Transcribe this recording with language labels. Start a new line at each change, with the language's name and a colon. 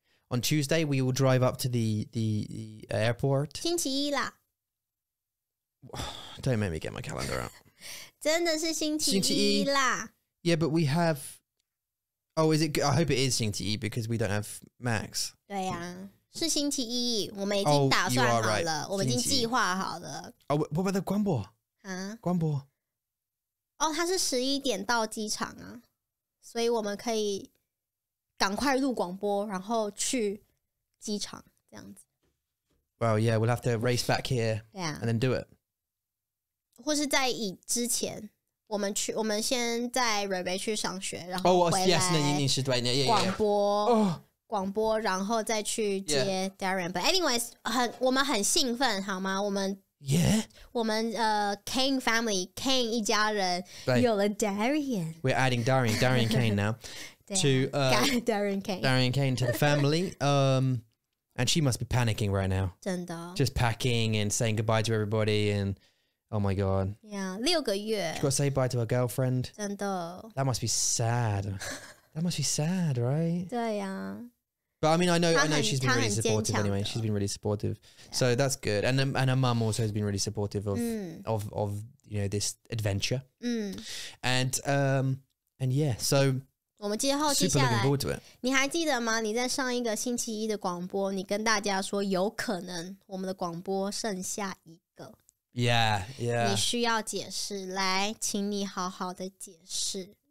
English: On Tuesday, we will drive up to the airport.
Chinese: 星期一啦。
English: Don't make me get my calendar out.
Chinese: 真的是星期一啦。星期一。
English: Yeah, but we have... Oh, is it... I hope it is
Chinese: 星期一
English: because we don't have Max.
Chinese: 对啊。是星期一。我们已经打算好了。我们已经计划好了。
English: Oh, what about the 官博?
Chinese: 啊? 官博。哦,它是11点到机场啊。所以我们可以赶快录广播，然后去机场这样子。
English: Well, yeah, we'll have to race back here, yeah, and then do it.
Chinese: 或是在以之前，我们去，我们先在瑞北去上学，然后回来。
English: Oh, yes, no, you need to do it. Yeah,
Chinese: 广播，广播，然后再去接 Darian.
English: But anyways,
Chinese: 我们很兴奋，好吗？我们
English: yeah,
Chinese: 我们Kane family, Kane 一家人有了 Darian.
English: We're adding Darian Kane now. To Darian Kane to the family. And she must be panicking right now.
Chinese: 真的。
English: Just packing and saying goodbye to everybody and oh my god.
Chinese: Yeah, 六个月。
English: She's got to say bye to her girlfriend.
Chinese: 真的。
English: That must be sad. That must be sad, right?
Chinese: 对呀。
English: But I mean, I know she's been really supportive anyway. She's been really supportive. Yeah. So that's good. And her mum also has been really supportive of you know, this adventure. And yeah, so...
Chinese: 我们接后接下来，你还记得吗？你在上一个星期一的广播，你跟大家说有可能我们的广播剩下一个。
English: Yeah, yeah.
Chinese: 你需要解释，来，请你好好的解释。